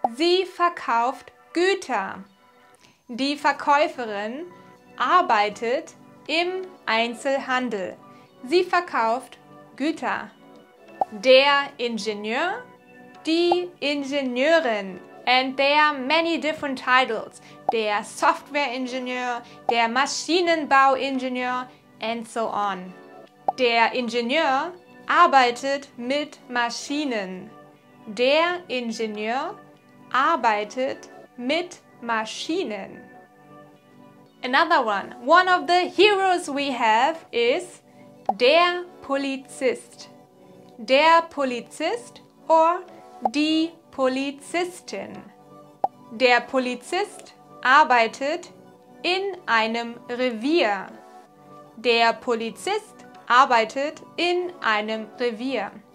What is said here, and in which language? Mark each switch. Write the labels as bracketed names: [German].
[German] Sie verkauft Güter. Die Verkäuferin arbeitet im Einzelhandel. Sie verkauft Güter. Der Ingenieur, die Ingenieurin. [English] And there are many different titles. [German] Der Software-Ingenieur, der Maschinenbau-Ingenieur [English] and so on. [German] Der Ingenieur arbeitet mit Maschinen. Der Ingenieur arbeitet mit Maschinen. [English] Another one. One of the heroes we have is der Polizist. [German] Der Polizist or die Polizistin. Der Polizist arbeitet in einem Revier. Der Polizist arbeitet in einem Revier.